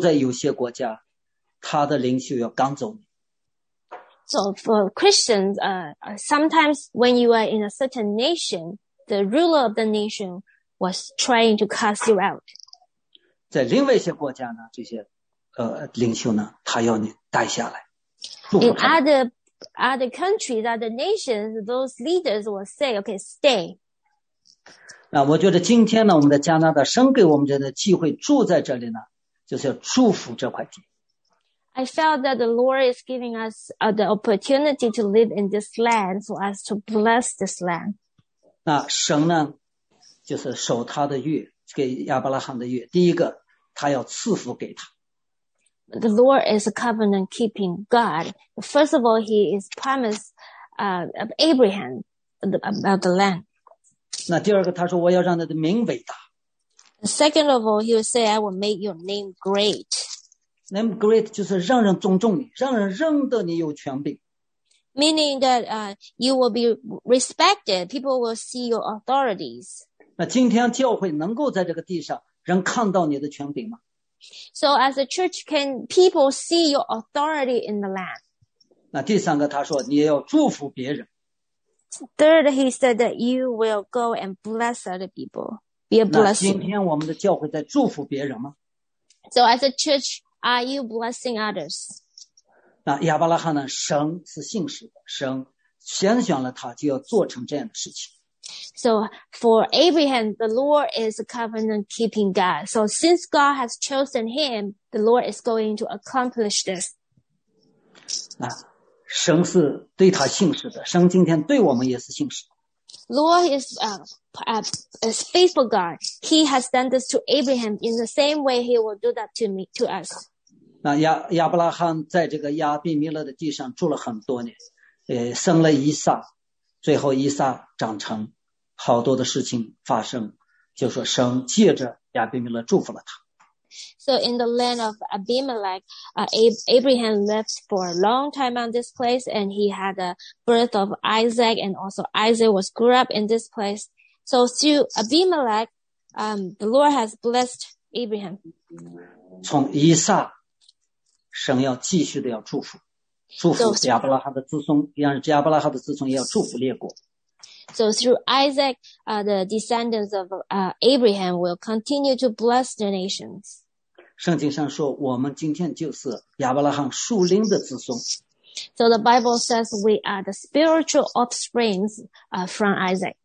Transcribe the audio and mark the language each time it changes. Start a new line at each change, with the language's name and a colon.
Chinese: 今天我们基督徒住在有些国家，他的领袖要赶走你。
English: So for Christians, sometimes when you are in a certain nation, the ruler of the nation was trying to cast you out.
Chinese: 在另外一些国家呢，这些领袖呢，他要你待下来。
English: In other countries, other nations, those leaders will say, "Okay, stay."
Chinese: 那我觉得今天呢，我们在加拿大，神给我们的机会住在这里呢，就是要祝福这块地。
English: I felt that the Lord is giving us the opportunity to live in this land so as to bless this land.
Chinese: 那神呢，就是守他的约，给亚伯拉罕的约。第一个，他要赐福给他。
English: The Lord is a covenant-keeping God. First of all, he is promised of Abraham about the land.
Chinese: 那第二个，他说我要让他的名伟大。
English: Second of all, he would say, I will make your name great. Name great
Chinese: 就是让人尊重你，让人认得你有权柄。
English: Meaning that, you will be respected. People will see your authorities.
Chinese: 那今天教会能够在这个地上人看到你的权柄吗？
English: So as a church, can people see your authority in the land?
Chinese: 那第三个他说你要祝福别人。
English: Third, he said that you will go and bless other people. Be a blessing.
Chinese: 那今天我们的教会在祝福别人吗？
English: So as a church, are you blessing others?
Chinese: 那亚伯拉罕呢，神是信实的，神选选了他就要做成这样的事情。
English: So for Abraham, the Lord is a covenant-keeping God. So since God has chosen him, the Lord is going to accomplish this.
Chinese: 啊，神是对他信实的，神今天对我们也是信实。
English: Lord is a faithful God. He has done this to Abraham in the same way he will do that to me, to us.
Chinese: 那亚伯拉罕在这个亚比米勒的地上住了很多年，生了以撒。最后以撒长成，好多的事情发生，就说神借着亚比米勒祝福了他。
English: So in the land of Abimelech, Abraham lived for a long time on this place, and he had a birth of Isaac, and also Isaac was grew up in this place. So through Abimelech, the Lord has blessed Abraham.
Chinese: 从以撒，神要继续的要祝福。祝福亚伯拉罕的子孙，让亚伯拉罕的子孙也要祝福列国。
English: So through Isaac, the descendants of Abraham will continue to bless the nations.
Chinese: 圣经上说，我们今天就是亚伯拉罕属灵的子孙。
English: So the Bible says we are the spiritual offsprings from Isaac.